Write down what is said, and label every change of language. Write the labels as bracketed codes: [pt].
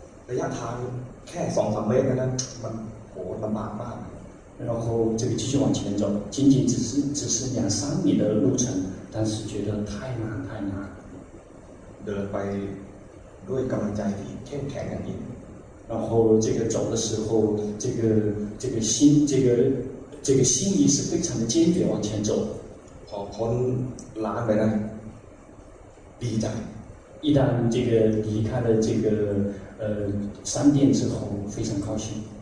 [th] ระยะทางแค่สองสามเมตรนะมันโหลำบากมาก [zh] 然后这个继续往前走，仅仅只是两三米的路程，但是觉得太难太难。 [th] เดินไปด้วยกำลังใจที่เข้มแข็งอย่างนี้ [zh] 然后这个走的时候，这个心这个心意是非常的坚决往前走。 [th] พอพ้นร้านไปนะดีใจ [zh] 一旦这个离开了这个商店之后，非常高兴。